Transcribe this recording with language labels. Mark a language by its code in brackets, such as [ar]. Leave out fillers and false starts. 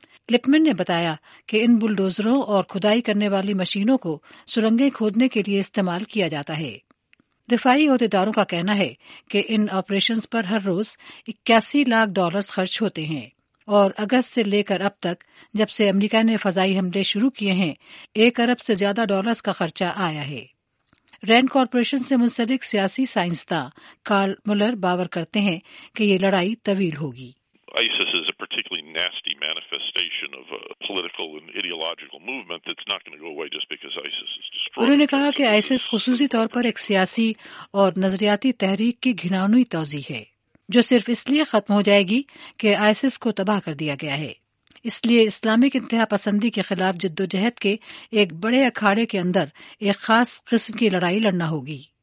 [ur] لپمن نے بتایا کہ ان بلڈوزروں اور کھدائی کرنے والی مشینوں کو سرنگیں کھودنے کے لیے استعمال کیا جاتا ہے۔ دفاعی عہدیداروں کا کہنا ہے کہ ان آپریشنز پر ہر روز $81,00,000 خرچ ہوتے ہیں، اور اگست سے لے کر اب تک، جب سے امریکہ نے فضائی حملے شروع کیے ہیں، $1,00,000,000 سے زیادہ ڈالرز کا خرچہ آیا ہے۔ رینڈ کارپوریشن سے منسلک سیاسی سائنسداں کارل مولر باور کرتے ہیں کہ یہ لڑائی طویل ہوگی۔ [en] ISIS is a particularly nasty manifestation of a political and ideological movement that's not going to go away just because ISIS is destroyed. [ur] انہوں نے کہا کہ ISIS خصوصی طور پر ایک سیاسی اور نظریاتی تحریک کی گھناؤنی توضیح ہے۔ جو صرف اس لیے ختم ہو جائے گی کہ آئیسس کو تباہ کر دیا گیا ہے۔ اس لیے اسلامک انتہا پسندی کے خلاف جدوجہد کے ایک بڑے اکھاڑے کے اندر ایک خاص قسم کی لڑائی لڑنا ہوگی۔